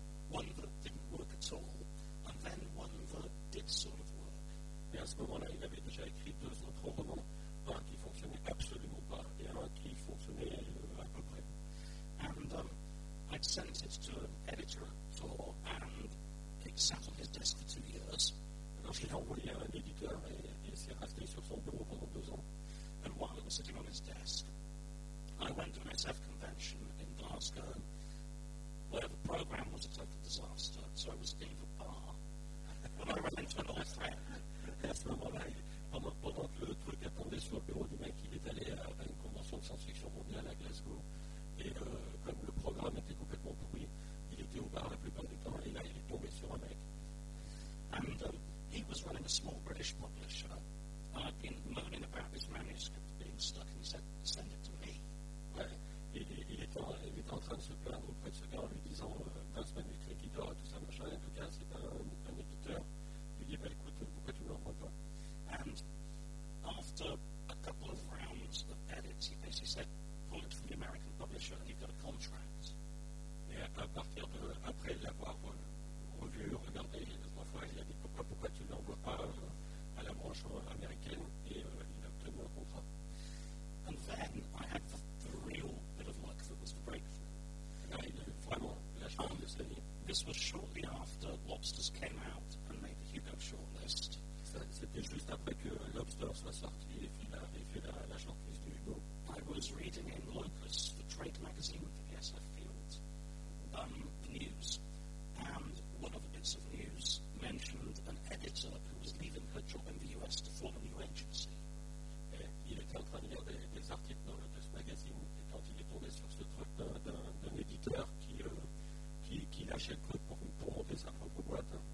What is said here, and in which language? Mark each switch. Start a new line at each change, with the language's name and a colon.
English: One that didn't work at all, and then one that did sort of work.
French: Et à ce moment-là, il avait déjà écrit deux autres romans, un qui fonctionnait absolument pas et un qui fonctionnait à peu près.
English: And I'd sent it to an editor for, and it sat on his desk for 2 years.
French: Alors, je l'ai envoyé à un éditeur et c'est resté sur son bureau pendant 2 ans.
English: And while it was sitting on his desk, I went to an SF convention in Glasgow, where the program was a total disaster, so I was in the bar. When I ran into an old friend, that's the one I...
French: Pendant que le truc attendait sur le bureau du mec, il est allé à une convention de science-fiction mondiale à Glasgow. Et comme le programme était complètement pourri, il était au bar la plupart du temps, et là, il est tombé sur un mec.
English: And he was running a small British publisher. I'd been moaning about his manuscript being stuck, and he said, send it to me.
French: Ouais, il était en train de se plaindre auprès de ce gars en lui disant, dans ce manuscrit qui dort, tout ça, machin, en tout cas, c'est un éditeur. Il lui dit, bah écoute, pourquoi tu ne l'envoies pas?
English: And after a couple of rounds of edits, he basically said, pull it from the American publisher and you've got a contract.
French: Et à partir de, après l'avoir revu, regardé trois fois, il a dit pourquoi tu ne l'envoies pas à la branche américaine et il a obtenu un contrat.
English: And then I had the real bit of luck that was the breakthrough.
French: Là, il a eu vraiment la chance de s'aligner.
English: This was shortly after Lobsters came out and made the Hugo shortlist.
French: C'était juste après que Lobster soit sorti et fait la shortlist du Hugo.
English: I was reading in Locus, the trade magazine of the SF field, the news, and one of the bits of news mentioned an editor who was leaving her job in the US to form a new agency.
French: Et il était en train de lire des articles dans Locus magazine, et quand il est tombé sur ce truc d'un éditeur qui lâchait le code pour monter sa propre boîte.